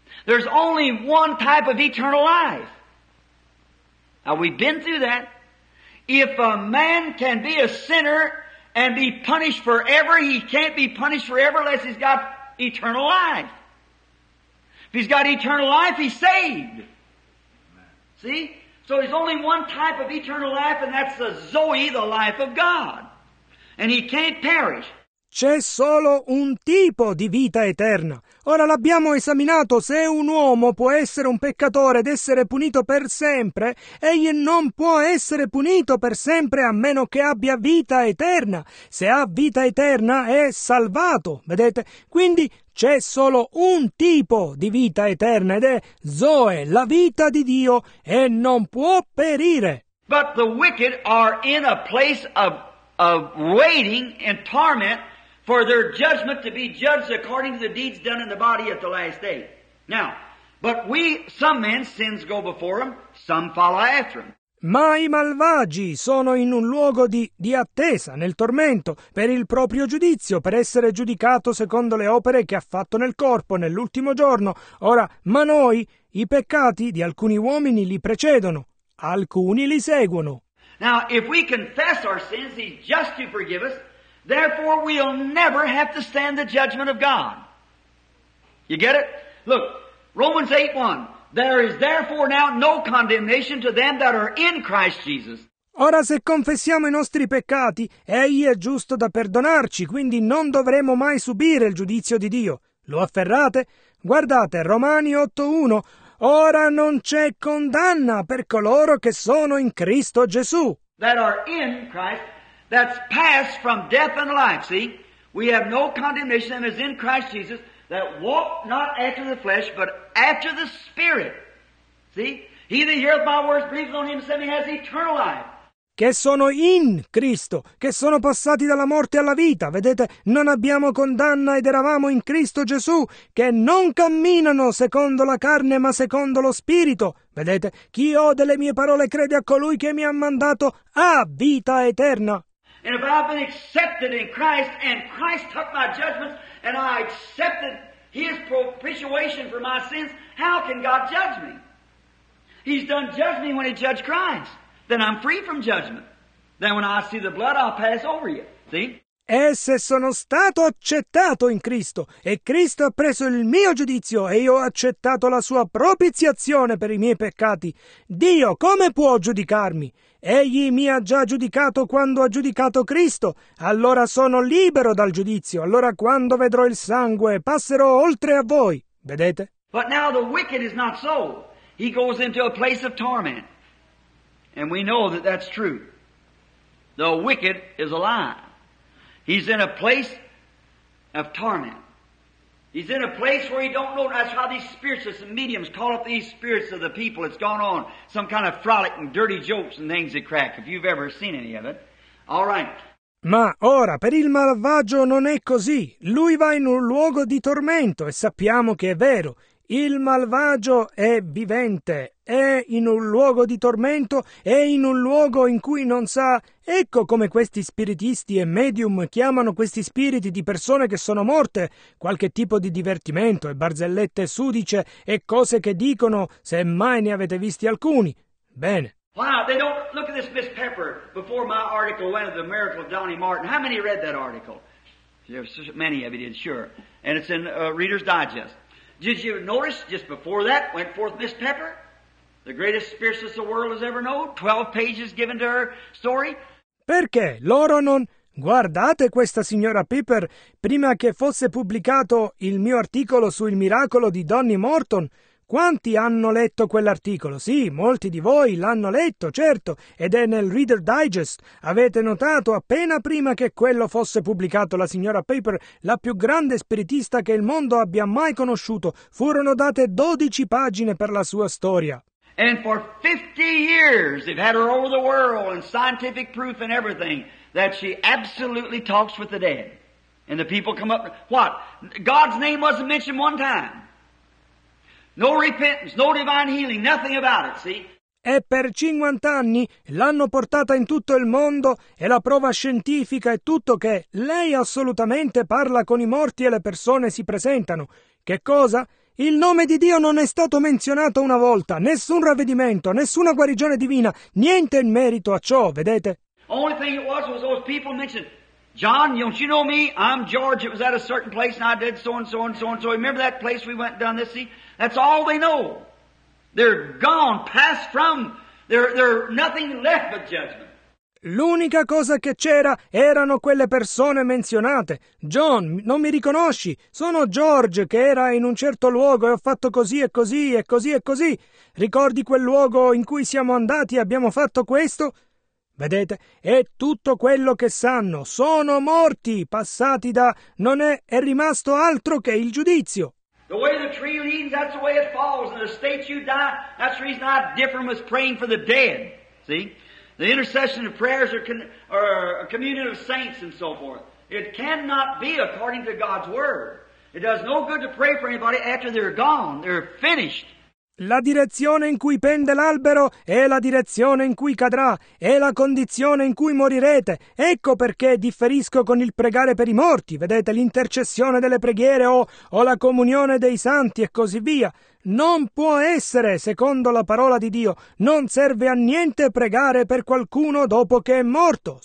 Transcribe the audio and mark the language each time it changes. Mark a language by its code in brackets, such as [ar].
[en] There's only one type of eternal life. Now we've been through that. If a man can be a sinner and be punished forever, he can't be punished forever unless he's got eternal life. If he's got eternal life, he's saved. Amen. See? So there's only one type of eternal life, and that's the Zoe, the life of God. And he can't perish. [it] C'è solo un tipo di vita eterna. Ora l'abbiamo esaminato. Se un uomo può essere un peccatore ed essere punito per sempre, egli non può essere punito per sempre a meno che abbia vita eterna. Se ha vita eterna è salvato, vedete? Quindi c'è solo un tipo di vita eterna ed è Zoe, la vita di Dio, e non può perire. [en] But the wicked are in a place of waiting and torment for their judgment to be judged according to the deeds done in the body at the last day. Now, but we, some men's sins go before them, some follow after them. [it] Ma i malvagi sono in un luogo di attesa, nel tormento, per il proprio giudizio, per essere giudicato secondo le opere che ha fatto nel corpo, nell'ultimo giorno. Ora, ma noi, i peccati di alcuni uomini li precedono, alcuni li seguono. [en] Now, if we confess our sins, he's just to forgive us. Therefore, we'll never have to stand the judgment of God. You get it? Look, Romans 8:1. There is therefore now no condemnation to them that are in Christ Jesus. [it] Ora, se confessiamo i nostri peccati, egli è giusto da perdonarci, quindi non dovremo mai subire il giudizio di Dio. Lo afferrate? Guardate, Romani 8:1. Ora non c'è condanna per coloro che sono in Cristo Gesù. [en] That are in Christ. That's passed from death unto life. See, we have no condemnation as in Christ Jesus that walk not after the flesh, but after the Spirit. See, he that heareth my words, believes on him, and sends me, has eternal life. [it] Che sono in Cristo, che sono passati dalla morte alla vita. Vedete, non abbiamo condanna ed eravamo in Cristo Gesù, che non camminano secondo la carne ma secondo lo Spirito. Vedete, chi ode le mie parole crede a colui che mi ha mandato a vita eterna. [en] And if I've been accepted in Christ, and Christ took my judgments, and I accepted his propitiation for my sins, how can God judge me? He's done judged me when he judged Christ. Then I'm free from judgment. Then when I see the blood, I'll pass over you. See? [it] E se sono stato accettato in Cristo, e Cristo ha preso il mio giudizio, e io ho accettato la sua propiziazione per i miei peccati, Dio come può giudicarmi? Egli mi ha già giudicato quando ha giudicato Cristo, allora sono libero dal giudizio, allora quando vedrò il sangue passerò oltre a voi, vedete? [en] But now the wicked is not so. He goes into a place of torment. And we know that that's true. The wicked is alive. He's in a place of torment. He's in a place where he don't know. That's why these spirits, these mediums, call up these spirits of the people. It's gone on. Some kind of frolic and dirty jokes and things that crack, if you've ever seen any of it. All right. [it] Ma ora, per il malvagio non è così. Lui va in un luogo di tormento e sappiamo che è vero. Il malvagio è vivente, è in un luogo di tormento, è in un luogo in cui non sa. Ecco come questi spiritisti e medium chiamano questi spiriti di persone che sono morte, qualche tipo di divertimento e barzellette sudice e cose che dicono, se mai ne avete visti alcuni. Bene. [en] Wow, they don't look at this Miss Pepper before my article went of the miracle of Donnie Martin. How many read that article? Many of you did, sure. And it's in Reader's Digest. Did you notice just before that went forth Miss Pepper, the greatest spiritist the world has ever known? 12 pages given to her story? [it] Perché loro non... Guardate questa signora Pepper, prima che fosse pubblicato il mio articolo sul miracolo di Donnie Morton. Quanti hanno letto quell'articolo? Sì, molti di voi l'hanno letto, certo, ed è nel Reader Digest. Avete notato, appena prima che quello fosse pubblicato, la signora Pepper, la più grande spiritista che il mondo abbia mai conosciuto, furono date 12 pagine per la sua storia. [en] And for 50 years they've had her over the world and scientific proof and everything that she absolutely talks with the dead. And the people come up, what? God's name wasn't mentioned one time. No repentance, no divine healing, nothing about it, see? [it] E per 50 anni l'hanno portata in tutto il mondo e la prova scientifica è tutto che lei assolutamente parla con i morti e le persone si presentano. Che cosa? Il nome di Dio non è stato menzionato una volta, nessun ravvedimento, nessuna guarigione divina, niente in merito a ciò, vedete? [en] Only thing it was those people mentioned. John, don't you know me? I'm George. It was at a certain place and I did so and so and so and so. Remember that place we went down this sea? That's all they know. They're gone, passed from. They're nothing left but judgment. [it] L'unica cosa che c'era erano quelle persone menzionate. John, non mi riconosci? Sono George che era in un certo luogo e ho fatto così e così e così e così. Ricordi quel luogo in cui siamo andati e abbiamo fatto questo? Vedete, è tutto quello che sanno. Sono morti, passati da... Non è, è rimasto altro che il giudizio. [en] The way the tree leans, that's the way it falls. And the state you die, that's the reason I differ from us praying for the dead. See? The intercession of prayers are a communion of saints and so forth. It cannot be according to God's word. It does no good to pray for anybody after they're gone. They're finished. [it] La direzione in cui pende l'albero è la direzione in cui cadrà, è la condizione in cui morirete. Ecco perché differisco con il pregare per i morti, vedete, l'intercessione delle preghiere o la comunione dei santi e così via. Non può essere, secondo la parola di Dio, non serve a niente pregare per qualcuno dopo che è morto.